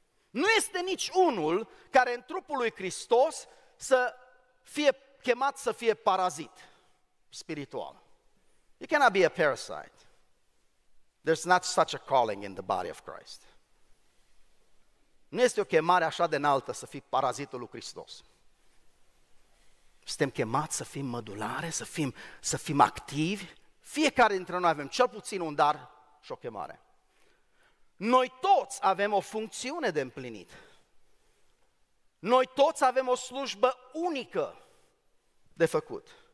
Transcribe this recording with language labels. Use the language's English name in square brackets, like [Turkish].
[Romanian] Nu este nici unul care în trupul lui Hristos să fie chemat să fie parazit spiritual. [English] You cannot be a parasite. There's not such a calling in the body of Christ. [Romanian] Nu este o chemare așa de înaltă să fii parazitul lui Hristos. Suntem chemați să fim mădulare, să fim activi. Fiecare dintre noi avem cel puțin un dar și o chemare. Noi toți avem o funcțiune de împlinit. Noi toți avem o slujbă unică de făcut.